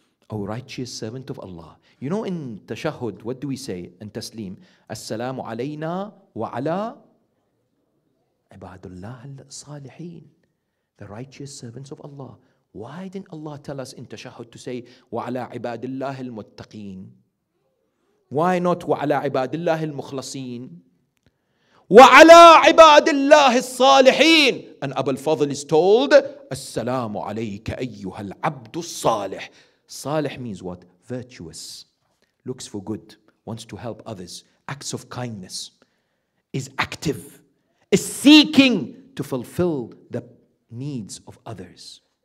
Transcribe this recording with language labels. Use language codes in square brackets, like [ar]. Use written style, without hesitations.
[en] O righteous servant of Allah. You know, in tashahud, what do we say in taslim? [ar] As-salamu alayna wa ala ibadullah al-salihin. [en] The righteous servants of Allah. Why didn't Allah tell us in tashahud to say, [ar] وَعَلَىٰ عِبَادِ اللَّهِ الْمُتَّقِينَ? [en] Why not, [ar] وَعَلَىٰ عِبَادِ اللَّهِ الْمُخْلَصِينَ? وَعَلَىٰ عِبَادِ اللَّهِ الصَّالِحِينَ? [en] And Abu al-Fadl is told, [ar] السَّلَامُ عَلَيْكَ أَيُّهَا الْعَبْدُ الصَّالِحِ. [en] Salih means what? Virtuous. Looks for good. Wants to help others. Acts of kindness. Is active. Is seeking to fulfill the needs of others.